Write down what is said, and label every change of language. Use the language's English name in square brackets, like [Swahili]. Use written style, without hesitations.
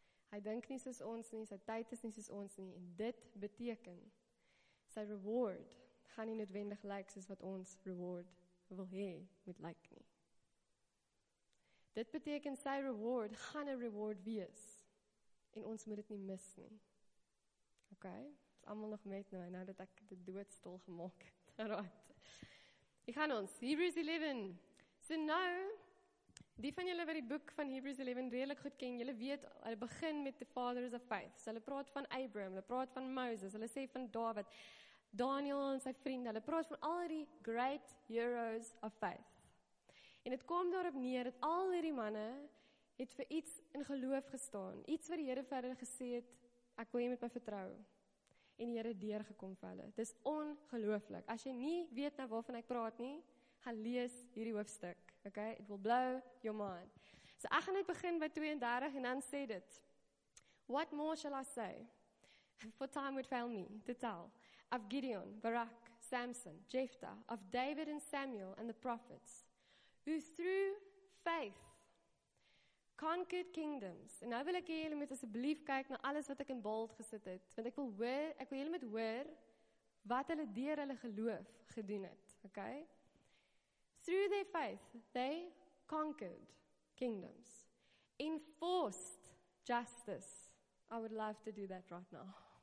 [Afrikaans] Hy dink nie soos ons nie, sy tyd is nie soos ons nie. En dit beteken, sy reward gaan nie noodwendig lyk soos wat ons reward wil hê, moet lyk nie. Dit beteken sy reward gaan 'n reward wees. En ons moet dit nie mis nie. OK? Is almal nog met nou, nou dat ek dit doodstil gemaak het. Right. Ek gaan ons, Hebrews 11. So nou, die van julle wat die boek van Hebrews 11 redelik goed ken, julle weet, hulle begin met [English] the fathers of faith. [Afrikaans] So hulle praat van Abraham, hulle praat van Moses, hulle sê van David, Daniel en sy vriende, hulle praat van al die [English] great heroes of faith. [Afrikaans] En het kom daarop neer, dat al die manne het vir iets in geloof gestaan, iets wat die Here vir hulle gesê het, ek wil jy met my vertrou. En die Here deurgekom vir hulle. Dis ongelooflik. As jy nie weet nou waarvan ek praat nie, gaan lees hierdie hoofstuk. Okay? [English] It will blow your mind. [Afrikaans] So ek gaan net begin by 32 en dan sê dit. [English] What more shall I say? For time would fail me to tell. Of Gideon, Barak, Samson, Jephthah, of David and Samuel and the prophets, who through faith conquered kingdoms. [Afrikaans] En nou wil ek hê julle moet asseblief kyk na alles wat ek in bold gesit het, want ek wil julle moet hoor wat hulle deur hulle geloof gedoen het, okay? [English] Through their faith, they conquered kingdoms, enforced justice. I would love to do that right now.